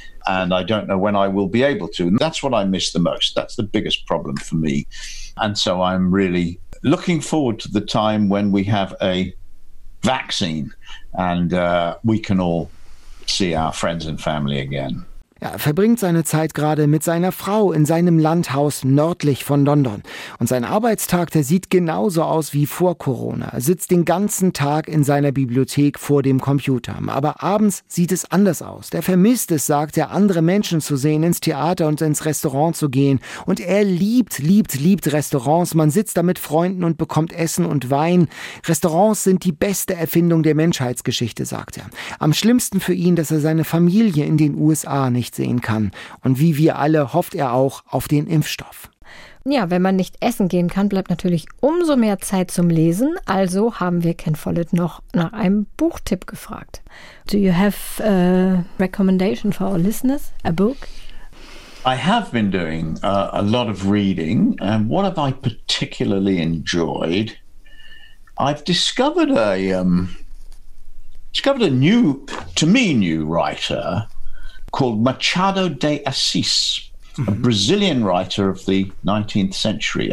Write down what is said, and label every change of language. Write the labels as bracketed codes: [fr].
[en] And I don't know when I will be able to. And that's what I miss the most. That's the biggest problem for me. And so I'm really looking forward to the time when we have a vaccine and we can all see our friends and family again. [de] Er verbringt seine Zeit gerade mit seiner Frau in seinem Landhaus nördlich von London. Und sein Arbeitstag, der sieht genauso aus wie vor Corona. Er sitzt den ganzen Tag in seiner Bibliothek vor dem Computer. Aber abends sieht es anders aus. Der vermisst es, sagt er, andere Menschen zu sehen, ins Theater und ins Restaurant zu gehen. Und er liebt, liebt, liebt Restaurants. Man sitzt da mit Freunden und bekommt Essen und Wein. Restaurants sind die beste Erfindung der Menschheitsgeschichte, sagt er. Am schlimmsten für ihn, dass er seine Familie in den USA nicht sehen kann. Und wie wir alle hofft er auch auf den Impfstoff. Ja, wenn man nicht essen gehen kann, bleibt natürlich umso mehr Zeit zum Lesen. Also haben wir Ken Follett noch nach einem Buchtipp gefragt. [en] Do you have a recommendation for our listeners? A book? I have been doing a lot of reading. And what have I particularly enjoyed? I've discovered a new writer called Machado de Assis, a Brazilian writer of the 19th century.